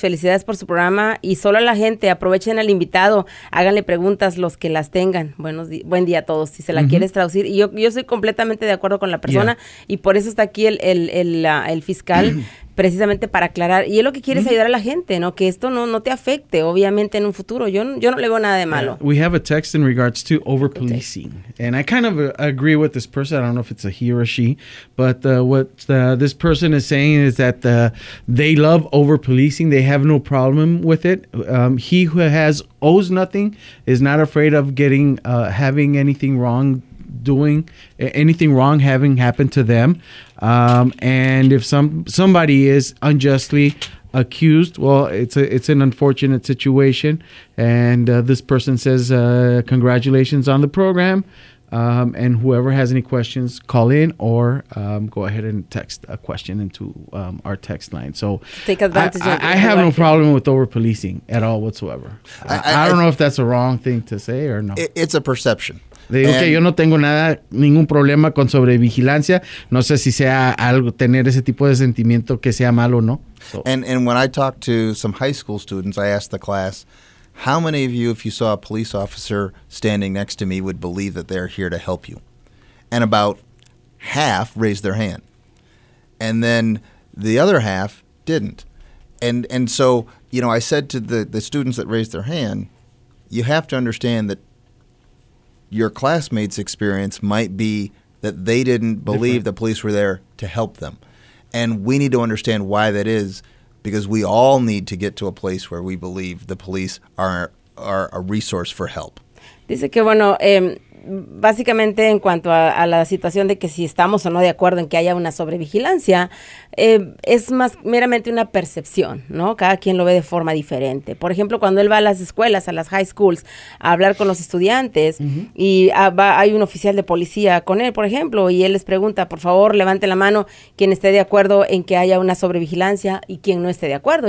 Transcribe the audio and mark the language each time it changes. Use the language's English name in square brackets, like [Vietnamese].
[Spanish] Felicidades por su programa y solo a la gente, aprovechen al invitado, háganle preguntas los que las tengan. Buen día a todos, si se la uh-huh. quieres traducir. Y yo soy completamente de acuerdo con la persona y por eso está aquí el fiscal, precisamente para aclarar. Y es lo que quiere es ayudar a la gente, ¿no? Que esto no te afecte, obviamente, en un futuro. Yo no le veo nada de malo. [English] We have a text in regards to over-policing. And I kind of agree with this person. I don't know if it's a he or a she. But what this person is saying is that they love over-policing. They have no problem with it. He who has owes nothing is not afraid of getting having anything wrong, doing anything wrong having happened to them. And if somebody is unjustly accused, well, it's an unfortunate situation. And this person says, congratulations on the program. And whoever has any questions, call in or go ahead and text a question into our text line. So take advantage. I have no problem with over policing at all whatsoever. I don't know if that's a wrong thing to say or no. It's a perception. [Spanish] Le digo que yo no tengo nada, ningún problema con sobrevigilancia. No sé si sea algo, tener ese tipo de sentimiento que sea malo o no. [English] So. And when I talk to some high school students, I ask the class, how many of you, if you saw a police officer standing next to me, would believe that they're here to help you? And about half raised their hand. And then the other half didn't. And so, you know, I said to the students that raised their hand, you have to understand that your classmates' experience might be that they didn't believe different. The police were there to help them. And we need to understand why that is, because we all need to get to a place where we believe the police are a resource for help. [Spanish] Dice que, bueno, básicamente en cuanto a la situación de que si estamos o no de acuerdo en que haya una sobrevigilancia, es más meramente una percepción, ¿no? Cada quien lo ve de forma diferente. Por ejemplo, cuando él va a las escuelas, a las high schools, a hablar con los estudiantes, uh-huh. y hay un oficial de policía con él, por ejemplo, y él les pregunta, por favor, levante la mano quien esté de acuerdo en que haya una sobrevigilancia y quien no esté de acuerdo.